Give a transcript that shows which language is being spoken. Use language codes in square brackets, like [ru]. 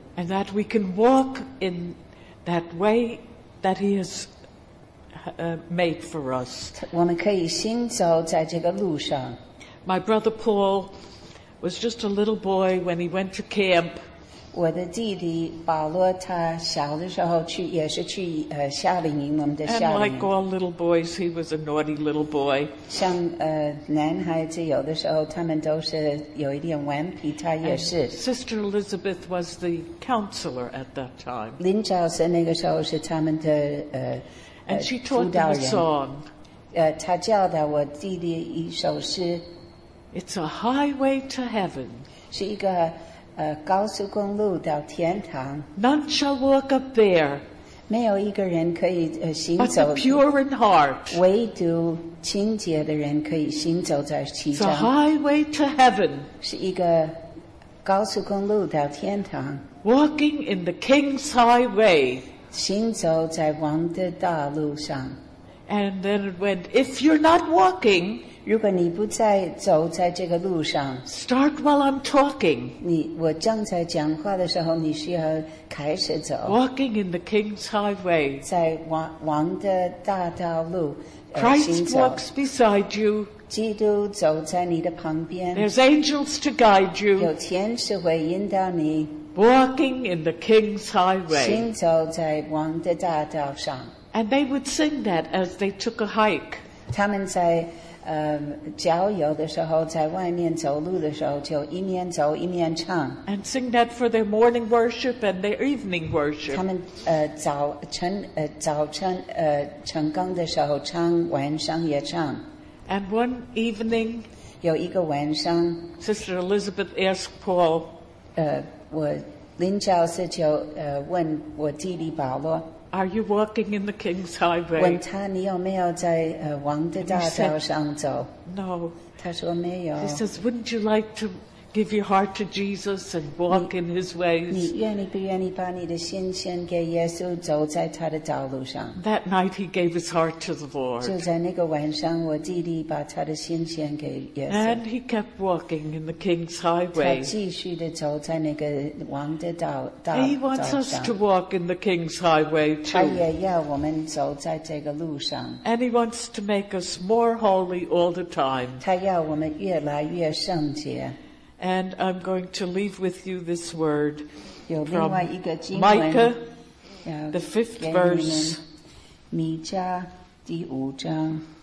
[en] And that we can walk in that way that He has made for us. [zh] 我们可以行走在这个路上。 [en] My brother Paul was just a little boy when he went to camp. [zh] 我的弟弟保罗，他小的时候去，也是去夏令营，我们的夏令营。 [en] And like all little boys, he was a naughty little boy. [zh] 像男孩子有的时候，他们都是有一点顽皮，他也是。 [en] And Sister Elizabeth was the counselor at that time. [zh] 林教授那个时候是他们的 [en] And she taught them a song. [zh] 他教导我弟弟一首诗。 [en] It's a highway to heaven. [zh] 是一个。高速公路到天堂。 [en] None shall walk up there. [zh] 没有一个人可以行走。 [en] But the pure in heart. [zh] 唯独清洁的人可以行走在其中。 [en] It's a highway to heaven. [zh] 是一个高速公路到天堂。 [en] Walking in the King's highway. [zh] 行走在王的大路上。 [en] And then it went, if you're not walking, [zh] 如果你不在走在这个路上 [en] ，Start while I'm talking。 [zh] 我正在讲话的时候，你需要开始走。 [en] Walking in the King's highway， [zh] 在王的大道路行走。 [en] Christ walks beside you， [zh] 基督走在你的旁边。 [en] There's angels to guide you， [zh] 有天使会引导你。 [en] Walking in the King's highway， [zh] 行走在王的大道上。 [en] And they would sing that as they took a hike， [zh] 他们在。郊游的时候，在外面走路的时候，就一面走一面唱。 [en] And sing that for their morning worship and their evening worship. [zh] 他们早晨晨更的时候唱，晚上也唱。 [en] And one evening, [zh] 有一个晚上 [en] ，Sister Elizabeth asked Paul, [zh] 我林教授就问我弟弟保罗。 [en] Are you walking in the King's highway? [zh] 问他你有没有在王的大道上走 [en] ？No. [zh] 他说没有。 [en] He says, "Wouldn't you like to give your heart to Jesus and walk in His ways?" [zh] 你愿意不愿意把你的心献给耶稣，走在他的道路上 [en] ？That night, he gave his heart to the Lord. [zh] 就在那个晚上，我弟弟把他的心献给耶稣。 [en] And he kept walking in the King's highway. [zh] 他继续的走在那个王的道上。 [en] He wants us to walk in the King's highway too. [zh] 他也要我们走在这个路上。 [en] And he wants to make us more holy all the time. [zh] 他要我们越来越圣洁。 [en] And I'm going to leave with you this word from Micah, the fifth verse. [zh] 弥迦第五章